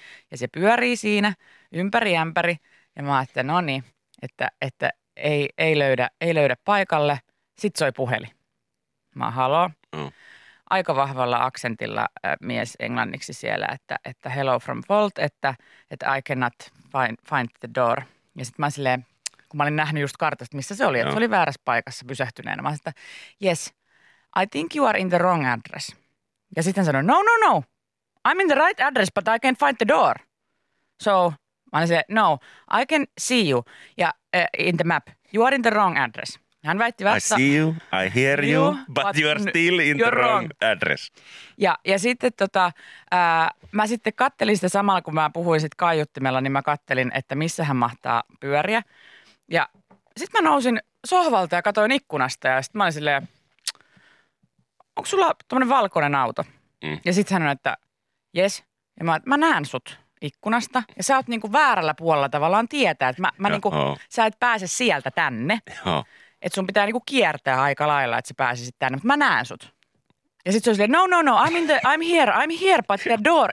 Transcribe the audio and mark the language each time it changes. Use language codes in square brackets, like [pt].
[fi] Ja se pyörii siinä ympäri ämpäri. Ja mä ajattelin, että no niin, että ei löydä paikalle. Sitten soi puhelin. Mä haloo. Aika vahvalla aksentilla mies englanniksi siellä, että [en] hello from Volt, [fi] että [en] I cannot find the door. [fi] Ja sitten mä silleen, kun mä olin nähnyt just kartasta, missä se oli, että se oli väärässä paikassa pysähtyneenä. Mä sanoin, että [en] yes, I think you are in the wrong address. [fi] Ja sitten sanoin, [en] no, I'm in the right address, but I can't find the door. [fi] So mä olin silleen, [en] no, I can see you in the map. You are in the wrong address. [fi] Hän väitti vasta, [en] I see you, I hear you, but you are still in the wrong address. [fi] Ja sitten mä sitten kattelin sitä samalla, kun mä puhuin sitten kaiuttimella, niin mä kattelin, että missä hän mahtaa pyöriä. Ja sitten mä nousin sohvalta ja katsoin ikkunasta ja sitten mä olin silleen, onko sulla tuommoinen valkoinen auto? Ja sitten hän sanoi, että [en] yes. [fi] Ja mä näen sut ikkunasta ja sä oot niinku väärällä puolella tavallaan tietää, että sä et pääse sieltä tänne. Joo. Että sun pitää niinku kiertää aika lailla, että sä pääsisit tänne, mutta mä näen sut. Ja sit se on silleen, no, [en] I'm here, but the door.